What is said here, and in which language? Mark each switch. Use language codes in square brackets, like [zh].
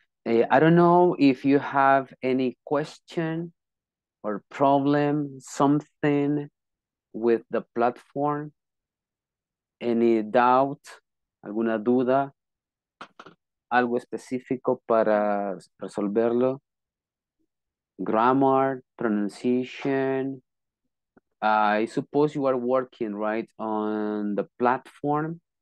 [en] I don't know if you have any question or problem, something with the platform. Any doubt, [es] alguna duda, algo específico para resolverlo. [en] Grammar, pronunciation. I suppose you are working right on the platform.